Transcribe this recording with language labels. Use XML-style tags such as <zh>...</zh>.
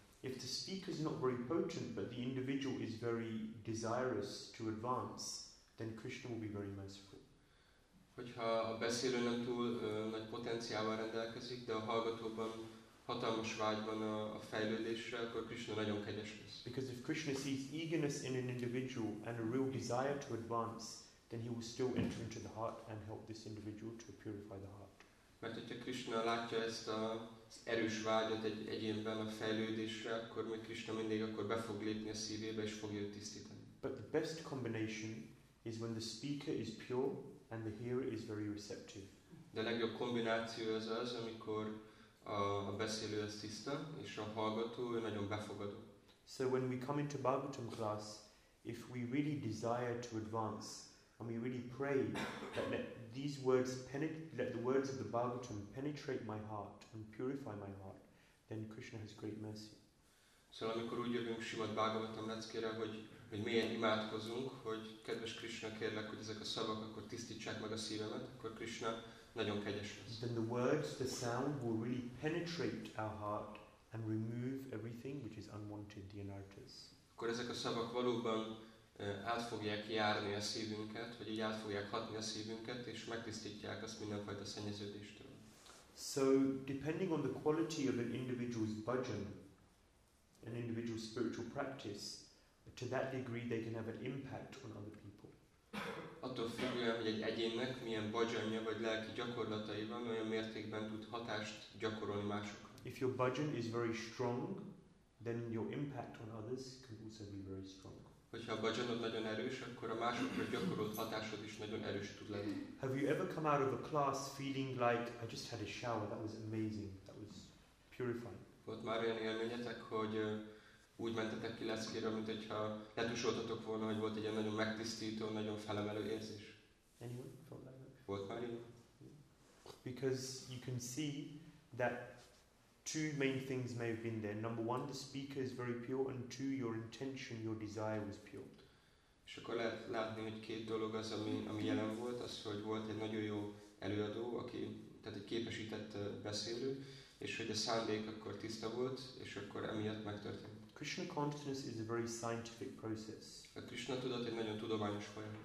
<en>If the speaker is not very potent, but the individual is very desirous to advance, then Krishna will be very merciful.</en> <hu>Hogyha a beszélő nem túl nagy potenciállal rendelkezik, de a hallgatóban hatalmas vágyban a fejlődésre, akkor Krishna nagyon kegyes lesz.</hu> <en>Because if Krishna sees eagerness in an individual and a real desire to advance, then he will still enter into the heart and help this individual to purify the heart.</en> <hu>Mert hogyha Krishna látja ezt az erős vágyat egy egyénben a fejlődésre, akkor még Krishna mindig akkor be fog lépni a szívébe és fogja tisztítani.</hu> <en>But the best combination is when the speaker is pure and the hearer is very receptive.</en> <hu>De legjobb kombináció az az, amikor a beszélő az tiszta, és a hallgató nagyon befogadó.</hu> <en>So when we come into Bhagavatam class, if we really desire to advance, and we really pray that let the words of the Bhagavatam penetrate my heart and purify my heart, then Krishna has great mercy.</en> <hu>Szóval amikor úgy jövünk Srimad Bhagavatam leckére, hogy mélyen imádkozunk, hogy kedves Krishna, kérlek, hogy ezek a szavak akkor tisztítsák meg a szívemet, akkor Krishna nagyon kegyes lesz.</hu> <en>Then the words, the sound will really penetrate our heart and remove everything which is unwanted, the anartas.</en> <hu>Akkor ezek a szavak valóban át fogják járni a szívünket, vagy így át fogják hatni a szívünket, és megtisztítják azt mindenfajta szennyeződéstől.</hu> <en>So, depending on the quality of an individual's bhajan, an individual's spiritual practice, to that degree they can have an impact on other people.</en> <hu>Attól függően, hogy egy egyénnek milyen bhajanja vagy lelki gyakorlatai van, olyan mértékben tud hatást gyakorolni másokra.</hu> <en>If your bhajan is very strong, then your impact on others can also be very strong.</en> <hu>Hogyha a bhajanod nagyon erős, akkor a másokra gyakorolt hatásod is nagyon erős tud lenni.</hu> <en>Have you ever come out of a class feeling like I just had a shower, that was amazing, that was purifying?</en> <hu>Volt már olyan élményetek, hogy úgy mentetek ki leszkére, mint hogyha letusoltatok volna, hogy volt egy ilyen nagyon megtisztító, nagyon felemelő érzés?</hu> <en>Anyone?</en> <hu>Volt már ilyen?</hu> <en>Because you can see that two main things may have been there. Number one, the speaker is very pure, and two, your intention, your desire was pure.</en> <hu>És akkor lehet látni, hogy két dolog az, ami jelen volt, az, hogy volt egy nagyon jó előadó, aki, tehát egy képesített beszélő, és hogy a szándék akkor tiszta volt, és akkor emiatt megtörtént.</hu> <en>Krishna consciousness is a very scientific process.</en> <hu>A Krishna tudat egy nagyon tudományos folyamat.</hu>